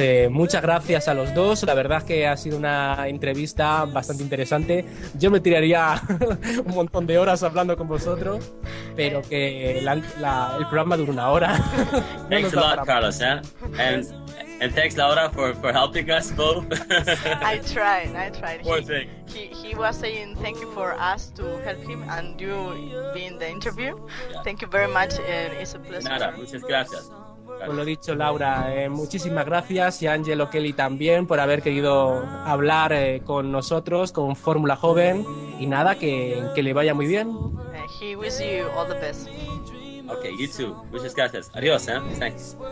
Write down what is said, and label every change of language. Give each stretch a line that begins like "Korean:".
Spanish: Muchas gracias a los dos. La verdad es que ha sido una entrevista bastante interesante. Yo me tiraría un montón de horas hablando con vosotros, pero que el programa dura una hora.
English: Thanks a lot, Carlos. And thanks, Laura, for helping us both. I tried. He was saying thank you for us to help him and you being the interview. Yeah. Thank you very much. It's a pleasure.
Spanish: Nada, muchas gracias. Pues lo dicho, Laura, muchísimas gracias, y Angelo Kelly también, por haber querido hablar con nosotros, con Fórmula Joven, y nada, que le vaya muy bien.
English: He wish you all the best. Okay, you too.
Spanish: Muchas gracias. Adiós,
English: thanks.